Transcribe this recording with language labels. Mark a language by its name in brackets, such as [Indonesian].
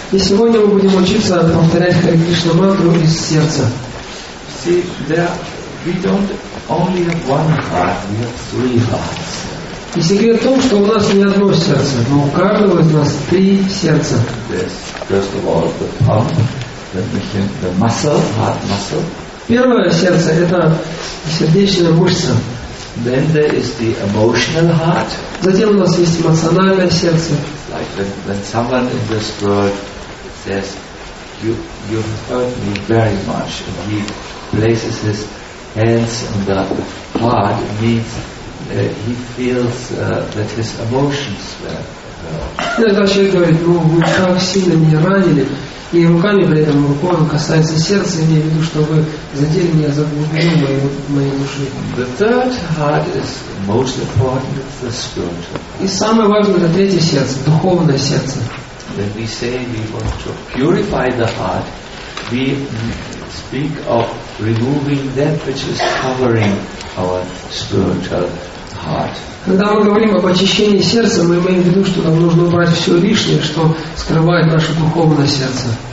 [Russian] И сегодня мы будем учиться повторять Харе Кришна мантру из сердца. [English] See, there we don't only have one heart, we have three hearts. [Russian] И секрет в том, что у нас не одно сердце, но у каждого из нас три сердца. [English] Yes. First of all, the pump, the muscle, heart muscle. [Russian] Первое сердце – это сердечная мышца. [English] Then there is the emotional heart. [Russian] Затем у нас есть эмоциональное сердце. [English] Like when someone in this world says, "You hurt me very much," and he places his hands on the heart, it means he feels that his emotions were hurt. [Russian] Иногда человек говорит, ну вы так сильно меня ранили, и руками при этом рукой он касается сердца, имею в виду, что вы задели меня за глубину моей души. [English] The third heart is most important. [Russian] И самое важное это третье сердце, духовное сердце. [English] When we say we want to purify the heart, we speak of removing that which is covering our spiritual heart. [Russian] Когда мы говорим об очищении сердца, мы имеем в виду, что нам нужно убрать все лишнее, что скрывает наше духовное сердце.